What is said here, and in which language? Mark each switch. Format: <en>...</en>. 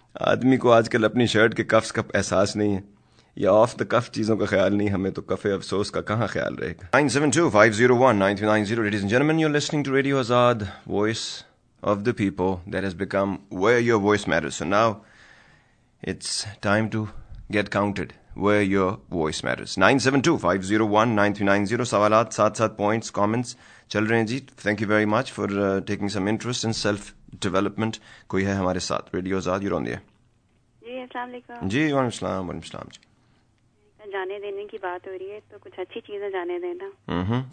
<ur>آدمی کو آج کل اپنی شرٹ کے کفس کا احساس نہیں ہے، یا آف دا کف چیزوں کا خیال نہیں، ہمیں تو کفے افسوس کا کہاں خیال رہے گا۔ 972-501-9390</ur> <en>ladies and gentlemen, you're listening to Radio Azad, voice of the people that has become where your voice matters. So now it's time to get counted where your voice matters.</en> <ur>972-501-9390 سوالات ساتھ ساتھ پوائنٹس کامنٹس چل رہے ہیں جی،</ur> <en>Thank you very much for taking some interest in self development.</en> <ur>کوئی ہے ہمارے ساتھ radio Azad?</ur> <en>You're on the air.</en> <ur>جی السلام علیکم۔ جی وعلیکم السلام۔ وعلیکم السلام جی، جانے دینے کی بات ہو رہی ہے تو کچھ اچھی چیزیں جانے دینا۔</ur>